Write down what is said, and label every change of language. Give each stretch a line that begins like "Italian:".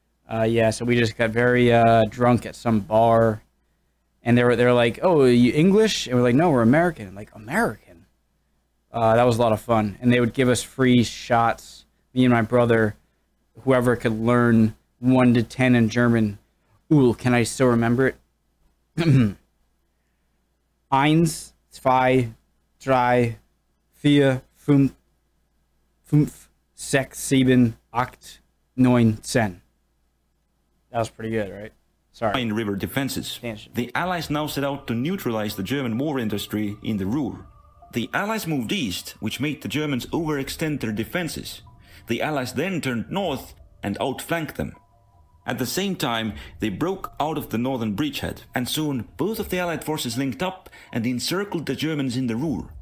English: So we just got very drunk at some bar, and they're like, "Oh, are you English?" And we're like, "No, we're American." I'm like, "American." That was a lot of fun, and they would give us free shots. Me and my brother, whoever could learn 1 to 10 in German. Ooh, can I still remember it?
German: Eins, zwei, drei, vier, fünf, sechs, sieben, acht, neun, zehn.
English: That was pretty good, right? Sorry. Rhine River defenses. Attention. The Allies now set out to neutralize the German war industry in the Ruhr. The Allies moved east, which made the Germans overextend their defenses. The Allies then turned north and outflanked them. At the same time, they broke out of the northern bridgehead, and soon both of the Allied forces linked up and encircled the Germans in the Ruhr.